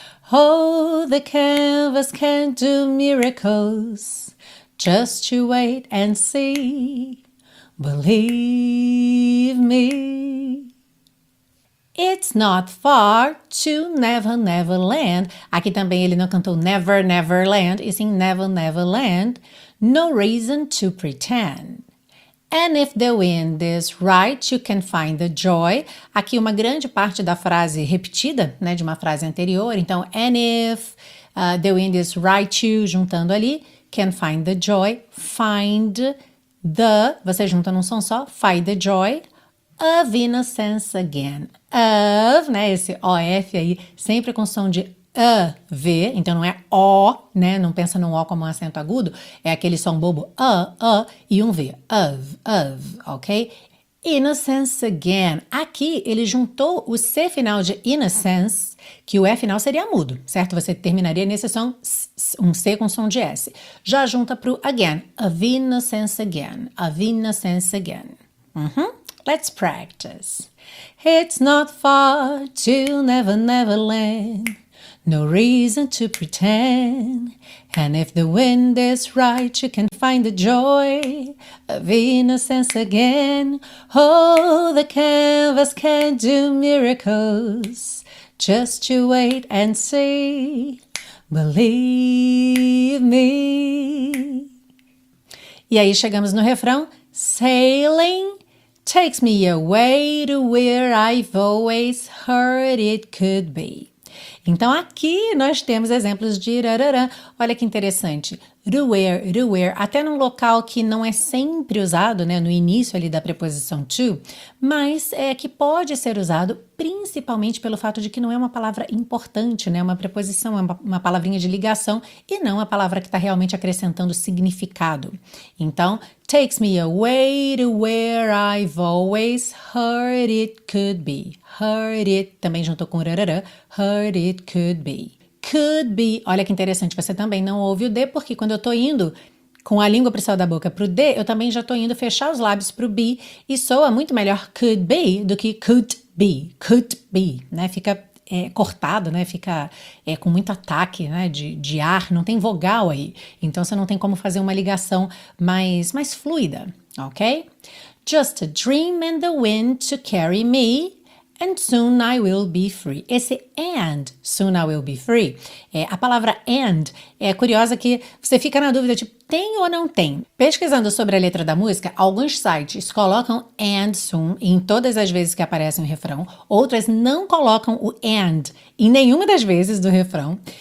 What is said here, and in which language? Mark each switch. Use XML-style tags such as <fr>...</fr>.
<en>Oh, the canvas can do miracles, just you wait and see, believe me. It's not far to Neverland.</en> <pt>Aqui também ele não cantou Neverland, e sim Neverland.</pt> <en>No reason to pretend. And if the wind is right, you can find the joy.</en> <pt>Aqui uma grande parte da frase repetida, né, de uma frase anterior.</pt> <en>Então, and if the wind is right, you, juntando ali, can find the joy. Find the, você junta num som só, find the joy of innocence again.</en> <pt>Of, né, esse OF aí, sempre com som de V, então não é O, né? Não pensa num O como um acento agudo, é aquele som bobo, e um V, of, ok? Innocence again. Aqui, ele juntou o C final de innocence, que o E final seria mudo, certo? Você terminaria nesse som, um C com som de S.</pt> <en>Já junta pro again, of innocence again, of innocence again. Uhum. Let's practice. It's not far to Neverland. No reason to pretend. And if the wind is right, you can find the joy of innocence again. Oh, the canvas can do miracles. Just you wait and see. Believe me.</en> <pt>E aí chegamos no refrão.</pt> <en>Sailing takes me away to where I've always heard it could be.</en> <pt>Então, aqui nós temos exemplos de irararã. Olha que interessante. To where, até num local que não é sempre usado, né, no início ali da preposição to, mas é que pode ser usado principalmente pelo fato de que não é uma palavra importante, né, uma preposição, uma palavrinha de ligação e não a palavra que está realmente acrescentando significado.</pt> <en>Então, takes me away to where I've always heard it could be. Heard it, também juntou com rararã, heard it could be. Could be.</en> <pt>Olha que interessante, você também não ouve o D, porque quando eu tô indo com a língua pro céu da boca pro D, eu também já tô indo fechar os lábios pro B e soa muito melhor could be do que could be, né? Fica cortado, né? Fica com muito ataque, né? De ar, não tem vogal aí. Então você não tem como fazer uma ligação mais fluida, ok?</pt> <en>Just a dream and the wind to carry me, and soon I will be free.</en> <pt>Esse and, soon I will be free, a palavra and é curiosa que você fica na dúvida de tem ou não tem. Pesquisando sobre a letra da música, alguns sites colocam and soon em todas as vezes que aparece o um refrão, outras não colocam o and em nenhuma das vezes do refrão.</pt>